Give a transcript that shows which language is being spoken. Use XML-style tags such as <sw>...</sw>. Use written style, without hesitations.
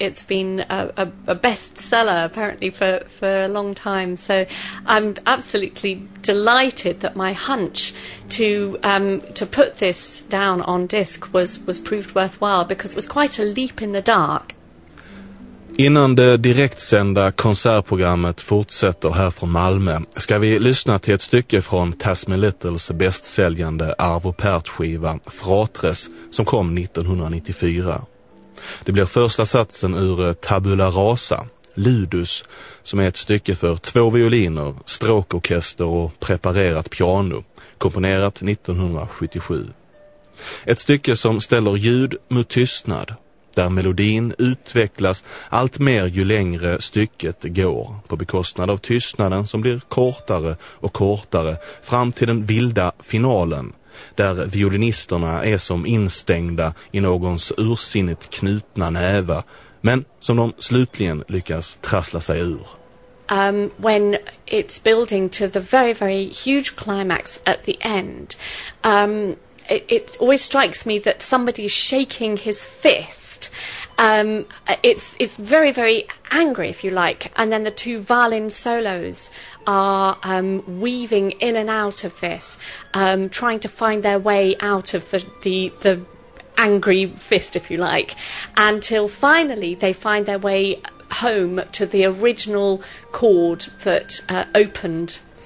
<en>It's been a bestseller, apparently, for a long time. So I'm absolutely delighted that my hunch to put this down on disc was proved worthwhile, because it was quite a leap in the dark.</en> <sv>Innan det direktsända konsertprogrammet fortsätter här från Malmö ska vi lyssna till ett stycke från Tasmin Littles bästsäljande Arvo Pärt-skiva Fratres, som kom 1994. Det blir första satsen ur Tabula Rasa, Ludus, som är ett stycke för två violiner, stråkorkester och preparerat piano, komponerat 1977. Ett stycke som ställer ljud mot tystnad, där melodin utvecklas allt mer ju längre stycket går, på bekostnad av tystnaden som blir kortare och kortare, fram till den vilda finalen, där violinisterna är som instängda i någons ursinnigt knutna näva, men som de slutligen lyckas trassla sig ur.</sv> <en>When it's building to the very, very huge climax at the end, it always strikes me that somebody is shaking his fist. It's very, very angry, if you like. And then the two violin solos are weaving in and out of this, trying to find their way out of the angry fist, if you like, until finally they find their way home to the original chord that opened</en>